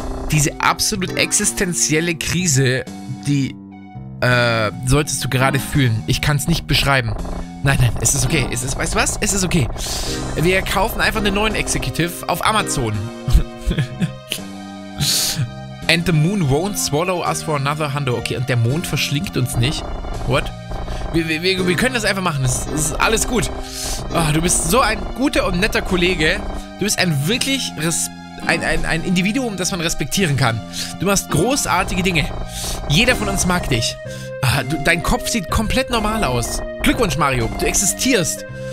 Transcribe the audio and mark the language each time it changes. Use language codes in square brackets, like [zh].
[de] Diese absolut existenzielle Krise, die solltest du gerade fühlen. Ich kann es nicht beschreiben. Nein, es ist okay. Weißt du was? Es ist okay. Wir kaufen einfach einen neuen Executive auf Amazon. [en] And the moon won't swallow us for another 100. [de] Okay, und der Mond verschlingt uns nicht. [en] What? [de] Wir können das einfach machen. Es ist alles gut. Oh, du bist so ein guter und netter Kollege. Du bist ein wirklich ein Individuum, das man respektieren kann. Du machst großartige Dinge. Jeder von uns mag dich. Dein Kopf sieht komplett normal aus. Glückwunsch, Mario. Du existierst.